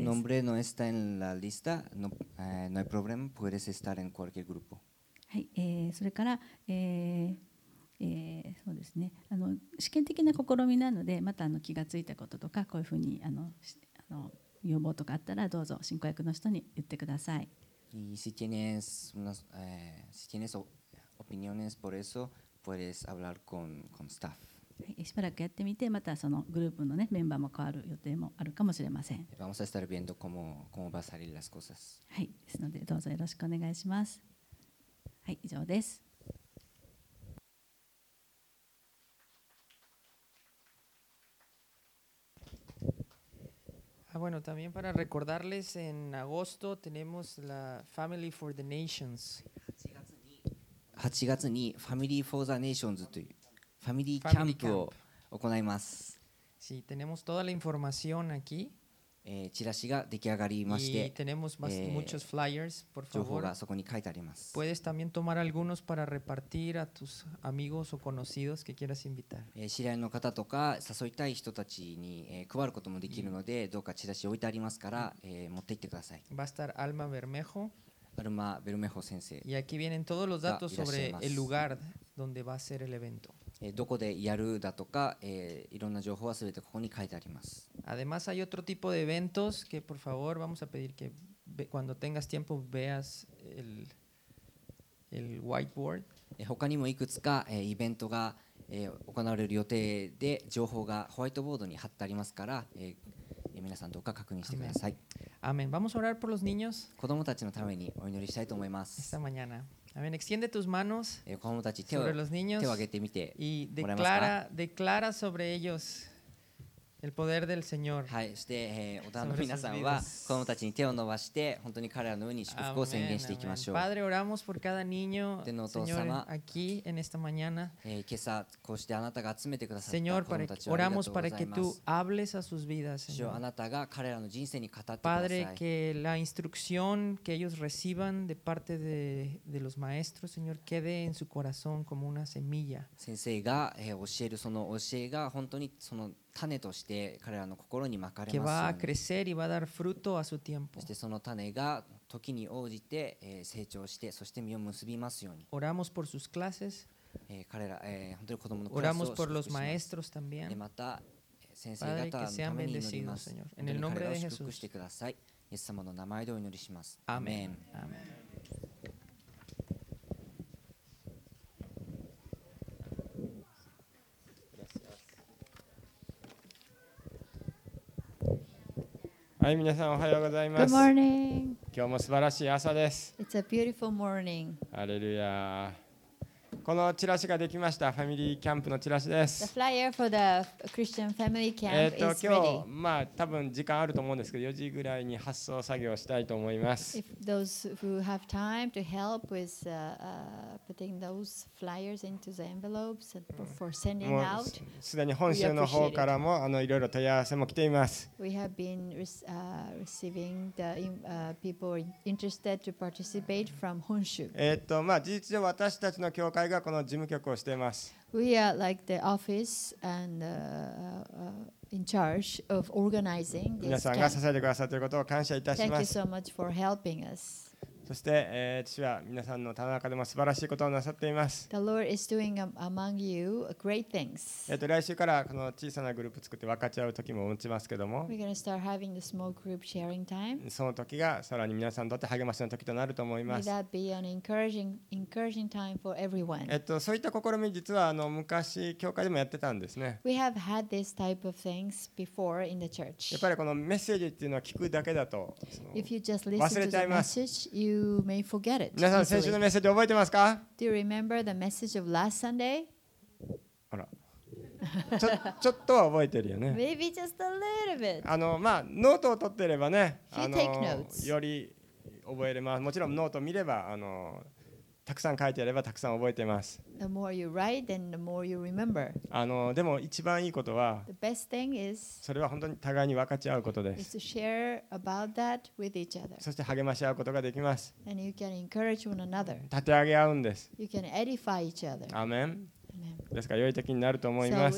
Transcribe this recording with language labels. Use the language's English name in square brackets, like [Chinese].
[Spanish] Si tu nombre no está en la lista, no, no hay problema, puedes estar en cualquier grupo。 [Japanese] はい、それから、そうですね、試験的な試みなので、また気がついたこととか、こういうふうに要望とかあったら、どうぞ進行役の人に言ってください。 [Spanish] Y si tienes unas, si tienes opiniones por eso, puedes hablar con staff。 [Japanese] しばらくやってみて、またそのグループの、ね、メンバーも変わる予定もあるかもしれません。 [Spanish] Vamos a estar viendo cómo va a salir las cosas。 [Japanese] はい、ですのでどうぞよろしくお願いします。はい、以上です。 [Spanish] Bueno, también para recordarles, en agosto tenemos la Family for the Nations. [Japanese] 8月にFamily for the Nationsというファミリーキャンプを行います。 [Spanish] Sí, tenemos toda la información aquí. [Japanese] チラシが出来上がりまして、 [Spanish] y tenemos muchos flyers, por favor. [Japanese] 情報がそこに書いてあります。 [Spanish] Puedes también tomar algunos para repartir a tus amigos o conocidos que quieras invitar. [Japanese] 知り合いの方とか誘いたい人たちに配ることもできるので、どうかチラシ置いてありますから、持って行ってください。 [Spanish] Va a estar Alma Bermejo. [Japanese] Alma Bermejo 先生。 [Spanish] Y aquí vienen todos los datos sobre el lugar donde va a ser el evento. [Japanese] どこでやるだとか、いろんな情報はすべてここに書いてあります。 [Spanish] Además hay otro tipo de eventos que por favor vamos a pedir que cuando tengas tiempo veas el whiteboard。 [Japanese] 他にもいくつか、イベントが、行われる予定で、情報がホワイトボードに貼ってありますから、皆さんどうか確認してください。 [Spanish] Amén. Vamos a orar por los niños。 [Japanese] 子どもたちのためにお祈りしたいと思います。 [Spanish] Esta mañana. Amén. Extiende tus manos sobre los niños y declara sobre ellos el poder del Señor. [Japanese] はい、そして、おたの皆さんは子供たちに手を伸ばして、本当に彼らのように祝福を宣言していきましょう。 [Spanish] Padre, oramos por cada niño, Señor, aquí en esta mañana. [Japanese] 今朝こうしてあなたが集めてくださった子供たちをありがとうございます。 [Spanish] Oramos para que tú hables a sus vidas, Señor. [Japanese] 主よ、あなたが彼らの人生に語ってください。 [Spanish] Padre, que la instrucción que ellos reciban de parte de los maestros, Señor, quede en su corazón como una semilla. [Japanese] 先生が、教えるその教えが本当にその種として彼らの心にまかれますように。そしてその種が時に応じて成長して、そして実を結びますように。 [Spanish] Oramos por sus clases. [Japanese] 彼ら、本当に子供のクラスを。 [Spanish] Oramos por los maestros también. [Japanese] また先生方のために祈ります。 [Spanish] Padre, que sean bendecidos, Señor. En el nombre de Jesús. [Japanese] してください。イエス様の名前でお祈りします。アーメン。アーメン。はい、皆さんおはようございます。 [English] Good morning. [Japanese] 今日も素晴らしい朝です。 [English] It's a beautiful morning. [Japanese] ハレルヤ。このチラシができました。ファミリーキャンプのチラシです。 [English] The flyer for the Christian family camp is ready. [Japanese] 今日、まあ多分時間あると思うんですけど、4時ぐらいに発送作業したいと思います。 [English] If those who have time to help with putting those flyers into the envelopes for sending out, [Japanese] すでに本州の方からもいろいろ問い合わせも来ています。 [English] We have been receiving the people interested to participate from 本州。 [Japanese] まあ事実上私たちの教会がこの事務局をしています。 [English] We are like the office and in charge of organizing this camp. [Japanese] 皆さんが支えてくださっていることを感謝いたします。 [English] Thank you so much for helping us. [Japanese] そして、私は皆さんの棚中でも素晴らしいことをなさっています。 [English] The Lord is doing among you great things. [Japanese] 来週からこの小さなグループ作って分かち合う時も持ちますけども、 [English] We're going to start having the small group sharing time. [Japanese] その時がさらに皆さんにとって励ましの時となると思います。 [English] May that be an encouraging time for everyone. [Japanese] そういった試み、実は昔教会でもやってたんですね。 [English] We have had this type of things before in the church. [Japanese] やっぱりこのメッセージっていうのは聞くだけだと [English] If you just listen to the message, you you may forget it. [Japanese] 皆さん、先週のメッセージ覚えてますか？ [English] Do you remember the message of last Sunday? [Japanese] あら、ちょっとは覚えてるよね。 [English] Maybe just a little bit. [Japanese] あの、まあ、ノートを取ってればね、あの、より覚えれます。もちろんノート見れば、あの、たくさん書いてあればたくさん覚えてます。 [English] The more you write, then the more you remember. [Japanese] あの、でも一番いいことは、 [English] The best thing is, [Japanese] それは本当に互いに分かち合うことです。 [English] Is to share about that with each other. [Japanese] そして励まし合うことができます。 [English] And you can encourage one another. [Japanese] 立て上げ合うんです。 [English] You can edify each other. [Japanese] アーメン。ですから良い時になると思います。